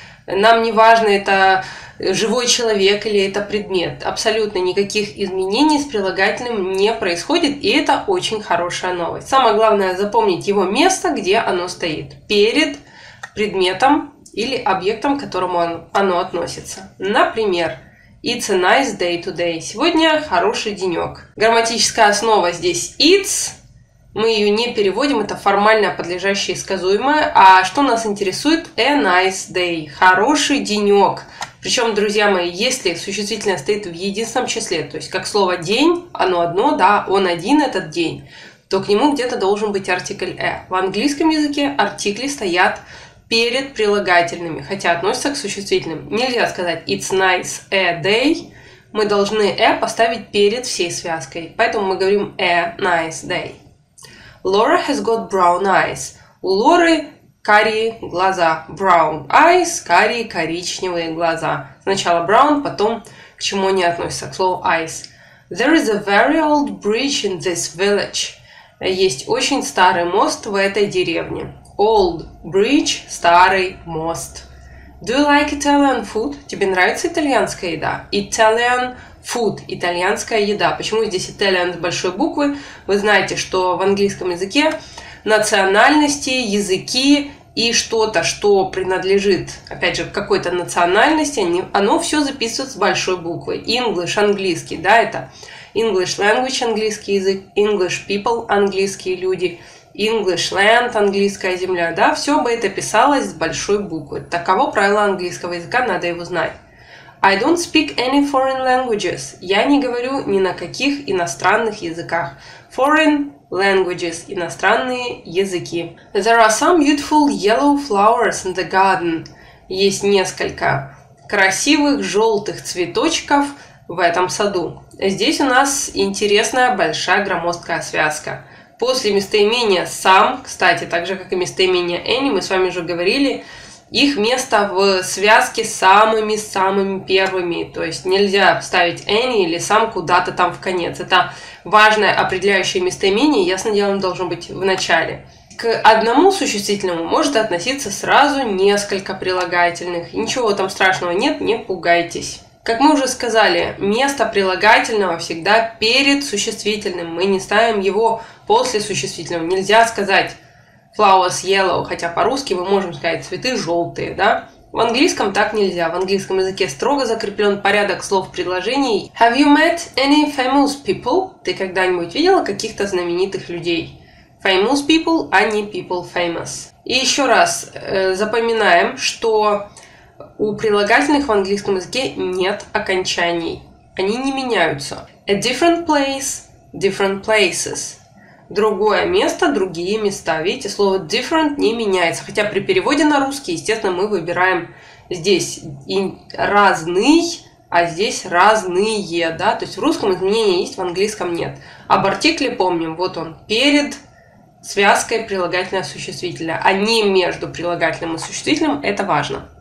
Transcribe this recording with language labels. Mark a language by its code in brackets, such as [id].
[ru] Нам не важно, это живой человек или это предмет. Абсолютно никаких изменений с прилагательным не происходит, и это очень хорошая новость. Самое главное — запомнить его место, где оно стоит. Перед предметом или объектом, к которому оно относится. Например, [en] it's a nice day today. [ru] Сегодня хороший денек. Грамматическая основа здесь it's. Мы ее не переводим, это формально подлежащее и сказуемое. А что нас интересует? [en] A nice day. [ru] Хороший денек. Причем, друзья мои, если существительное стоит в единственном числе, то есть как слово день, оно одно, да, он один этот день, то к нему где-то должен быть артикль a. В английском языке артикли стоят перед прилагательными, хотя относятся к существительным. Нельзя сказать [en] it's nice a day. [ru] Мы должны a поставить перед всей связкой. Поэтому мы говорим [en] a nice day. Laura has got brown eyes. [ru] У Лоры карие глаза. [en] Brown eyes [ru] — карие, коричневые глаза. Сначала brown, потом к чему они относятся, к слову eyes. [en] There is a very old bridge in this village. [ru] Есть очень старый мост в этой деревне. [en] Old bridge [ru] – старый мост. [en] Do you like Italian food? [ru] Тебе нравится итальянская еда? [en] Italian food [ru] – итальянская еда. Почему здесь Italian с большой буквы? Вы знаете, что в английском языке национальности, языки и что-то, что принадлежит, опять же, какой-то национальности, оно все записывается с большой буквы. English – английский, да, это [en] English language [ru] – английский язык, [en] English people [ru] – английские люди. [en] English land, [ru] английская земля, да, все бы это писалось с большой буквы. Таково правило английского языка, надо его знать. [en] I don't speak any foreign languages. [ru] Я не говорю ни на каких иностранных языках. [en] Foreign languages [ru] — иностранные языки. [en] There are some beautiful yellow flowers in the garden. [ru] Есть несколько красивых желтых цветочков в этом саду. Здесь у нас интересная большая громоздкая связка. После местоимения some, кстати, так же, как и местоимение any, мы с вами уже говорили, их место в связке самыми-самыми первыми. То есть нельзя ставить any или some куда-то там в конец. Это важное определяющее местоимение, ясно дело, должно быть в начале. К одному существительному может относиться сразу несколько прилагательных. Ничего там страшного нет, не пугайтесь. Как мы уже сказали, место прилагательного всегда перед существительным. Мы не ставим его после существительного. Нельзя сказать [en] flowers yellow, [ru] хотя по-русски мы можем сказать цветы желтые, да? В английском так нельзя. В английском языке строго закреплен порядок слов в предложении. [en] Have you met any famous people? [ru] Ты когда-нибудь видела каких-то знаменитых людей? [en] Famous people, [ru] а не [en] people famous. [ru] И еще раз запоминаем, что у прилагательных в английском языке нет окончаний. Они не меняются. [en] A different place, different places. [ru] Другое место, другие места. Видите, слово different не меняется. Хотя при переводе на русский, естественно, мы выбираем здесь разный, а здесь разные. Да? То есть в русском изменения есть, в английском нет. Об артикле помним. Вот он, перед связкой прилагательное-существительное, а не между прилагательным и существительным. Это важно.